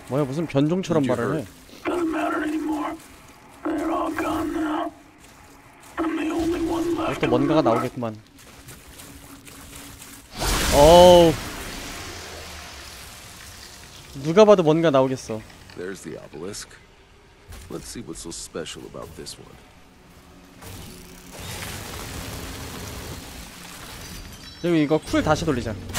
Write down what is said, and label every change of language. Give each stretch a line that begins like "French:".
Korean: 뭐야, 무슨 변종처럼 말을 해?
English: Doesn't matter anymore. They're all gone now. I'm the only one left.
Korean: 또 뭔가가 나오겠구만. 어우. 누가 봐도 뭔가 나오겠어.
English: There's the obelisk. Let's see what's so special about this one.
Korean: 그럼 이거 쿨 다시 돌리자.